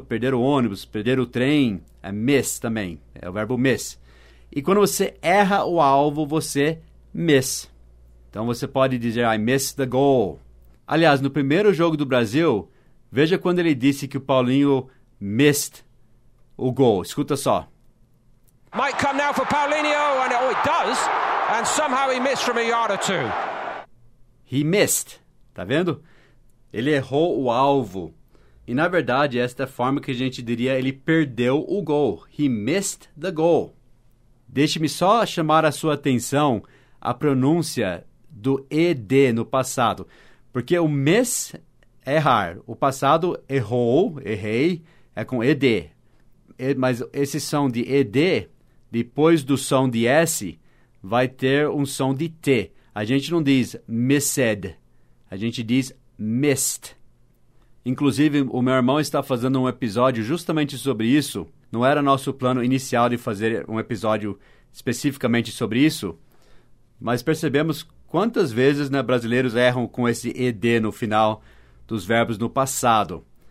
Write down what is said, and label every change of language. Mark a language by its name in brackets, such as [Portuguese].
[Portuguese] Perder o ônibus, perder o trem é miss também, é o verbo miss. E quando você erra o alvo, você miss. Então você pode dizer, [English] I missed the goal. [Portuguese] Aliás, no primeiro jogo do Brasil, veja quando ele disse que o Paulinho missed o goal. Escuta só. [English] Might come now for Paulinho, and oh, it does. And somehow he missed from a yard or two. He missed. [Portuguese] Tá vendo? Ele errou o alvo. E na verdade, esta é a forma que a gente diria, ele perdeu o goal. [English] He missed the goal. [Portuguese] Deixe-me só chamar a sua atenção a pronúncia do ED no passado. Porque o miss é errar. O passado errou, errei, é com ED. Mas esse som de ED, depois do som de S, vai ter um som de T. A gente não diz missed, a gente diz missed. Inclusive, o meu irmão está fazendo um episódio justamente sobre isso. Não era nosso plano inicial de fazer um episódio especificamente sobre isso. Mas percebemos quantas vezes, né, brasileiros erram com esse ED no final dos verbos no passado.